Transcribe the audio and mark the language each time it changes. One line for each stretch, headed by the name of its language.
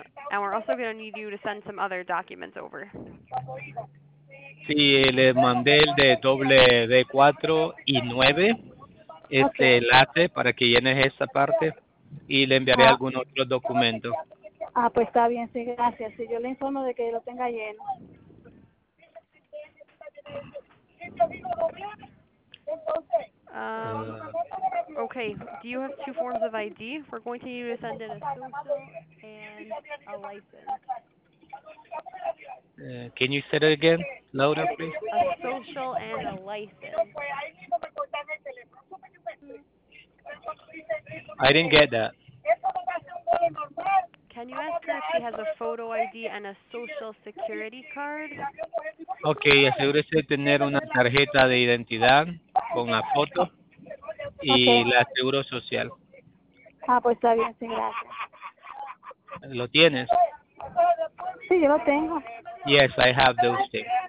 English: And we're also going to need you to send some other documents over.
Spanish: Sí, le mandé el de W-4 y 9, este enlace para que llenes esa parte, y le enviaré algún otro documento. Ah, pues está bien, sí, gracias. Sí, yo le informo de que lo tenga lleno.
English: Okay, do you have two forms of ID? We're going to need to send in a social and a license. Can you say it again? Louder, please. A social and a license. I didn't get that. Can you ask her if she has a photo ID and a social security card?
Spanish: Okay, asegúrese de tener una tarjeta de identidad con la foto y la Seguro Social. Ah, pues está bien, sí, gracias. ¿Lo tienes? Sí, yo lo tengo.
English: Yes, I have those things.